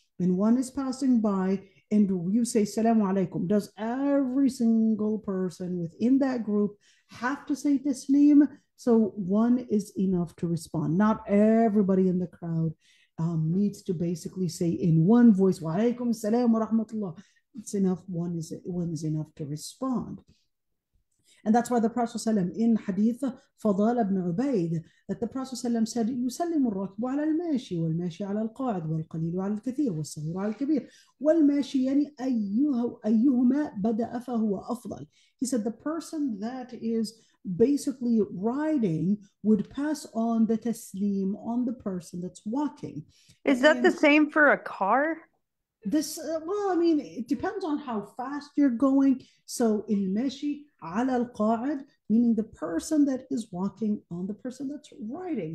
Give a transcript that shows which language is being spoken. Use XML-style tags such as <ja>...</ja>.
<en>and one is passing by and you say salamu alaykum, does every single person within that group have to say taslim? So one is enough to respond. Not everybody in the crowd needs to basically say in one voice, wa alaykum salam wa rahmatullah. It's enough, one is enough to respond. And that's why the Prophet ﷺ in Hadith Fadal ibn Ubaid, that the Prophet ﷺ said,</en> <ar>يُسَلِّمُ الرَّكْبُ عَلَى الْمَاشِي وَالْمَاشِي عَلَى الْقَاعِدِ وَالْقَلِيلُ عَلَى الْكَثِيرِ وَالصَّغِيرُ عَلَى الْكَبِيرِ وَالْمَاشِي يَنِي أَيُّهُمَا بَدَأَ فَهُوَ أَفْضَلُ.</ar> <en>He said the person that is basically riding would pass on the taslim on the person that's walking. Is that the same for a car? This, well, I mean, it depends on how fast you're going. So</en> <ar>الْمَاشِي عَلَى الْقَاعِدِ,</ar> <en>meaning the person that is walking on the person that's riding.</en>